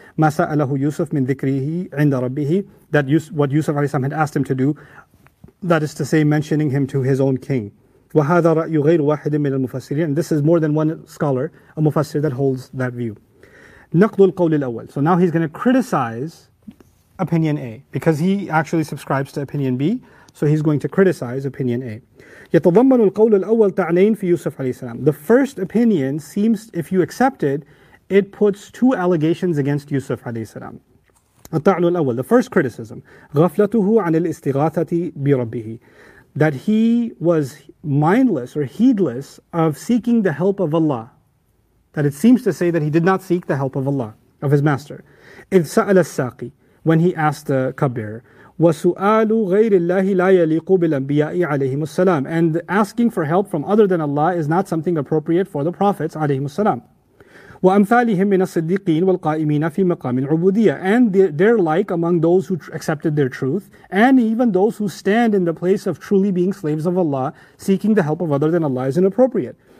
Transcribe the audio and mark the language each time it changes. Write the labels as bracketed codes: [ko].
[ar] ما سأله يوسف من ذكره عند ربه, [en] that what Yusuf عليه السلام had asked him to do, that is to say, mentioning him to his own king. [ar] وهذا رأي غير واحد من المفسرين, [en] and this is more than one scholar, a mufassir that holds that view. [ar] نقل القول الأول. [en] So now he's going to criticize opinion A, because he actually subscribes to opinion B, So he's going to criticize opinion A. [ar] يتضمن القول الأول تعنين في يوسف عليه السلام. [en] The first opinion seems, if you accept it, it puts two allegations against Yusuf عليه السلام. [ar] الطعن الأول, [en] the first criticism. [ar] غفلته عن الاستغاثة بربه. [en] That he was mindless or heedless of seeking the help of Allah. That it seems to say that he did not seek the help of Allah, of his master. [ar] إذ سأل الساقي, [en] when he asked the cupbearer. [ar] وَسُؤَالُ غَيْرِ اللَّهِ لَا يَلِيقُ بِالْأَنْبِيَاءِ عَلَيْهِمُ السَّلَامِ [en] And asking for help from other than Allah is not something appropriate for the prophets, [ar] عَلَيْهِمُ السَّلَامِ وَأَمْثَالِهِمْ مِنَ الصِّدِّقِينَ وَالْقَائِمِينَ فِي مَقَامِ الْعُبُودِيَةِ [en] And they're like among those who accepted their truth, and even those who stand in the place of truly being slaves of Allah, seeking the help of other than Allah is inappropriate.